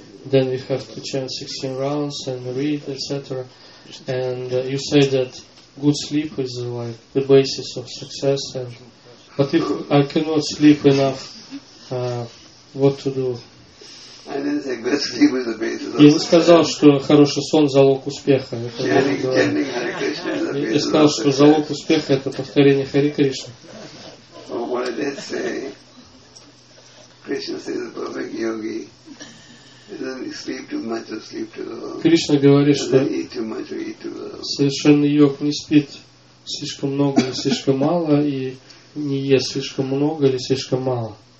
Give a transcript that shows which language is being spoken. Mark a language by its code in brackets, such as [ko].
[en] Then we have to chant 16 rounds and read, etc. And you say that good sleep is like the basis of success. And but if I cannot sleep enough, what to do? I didn't say good sleep is the basis of success. [ru] Я не сказал, что хороший сон залог успеха. Это я не говорил. Я сказал, что залог успеха это повторение Хари Кришны. [en] What I did say, Krishna says the perfect yogi doesn't sleep too much or sleep too long. [ru] Кришна говорит, что [en] eat too much or eat too long. [ru] Совершенный йог не спит слишком много или слишком мало и не ест слишком много или слишком мало.